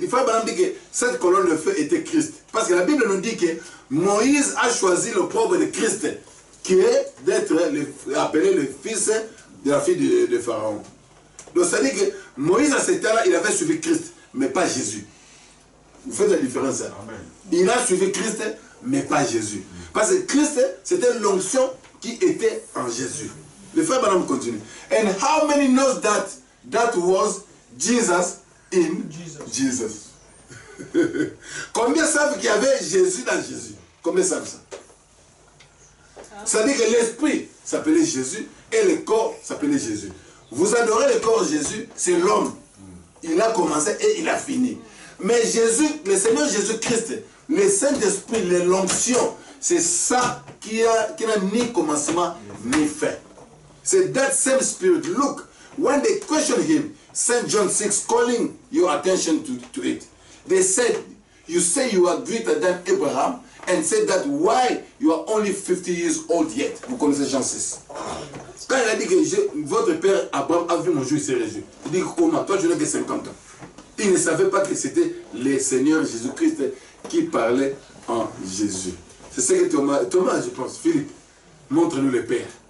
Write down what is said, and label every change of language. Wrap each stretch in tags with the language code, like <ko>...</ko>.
<fr>Il faut vraiment dire que cette colonne de feu était Christ. Parce que la Bible nous dit que Moïse a choisi le propre de Christ, qui est d'être le, appelé le fils de la fille de Pharaon. Donc ça veut dire que Moïse, à ce temps-là, il avait suivi Christ, mais pas Jésus. Vous faites la différence. Amen. Il a suivi Christ, mais pas Jésus. Parce que Christ, c'était l'onction qui était en Jésus. Le frère Branham continue.</fr> <en>And how many knows that that was Jesus in Jesus?</en> <fr>Combien savent qu'il y avait Jésus dans Jésus? Combien savent ça? Ça veut dire que l'esprit s'appelait Jésus et le corps s'appelait Jésus. Vous adorez le corps Jésus, c'est l'homme. Il a commencé et il a fini. Mais Jésus, le Seigneur Jésus-Christ, le Saint-Esprit, l'onction, c'est ça qui n'a ni commencement ni fin.</fr> <en>C'est that same spirit. Look, when they questioned him, St. John 6, calling your attention to it, they said, you say you are greater than Abraham, and said that why you are only 50 years old yet.</en> <fr>Vous connaissez Jean 6. Quand il a dit que votre père Abraham a vu mon jour, il s'est réjoui. Il dit que comment, toi tu n'as que 50 ans. Il ne savait pas que c'était le Seigneur Jésus-Christ qui parlait en Jésus. C'est ce que Thomas, je pense, Philippe, montre-nous le père.</fr>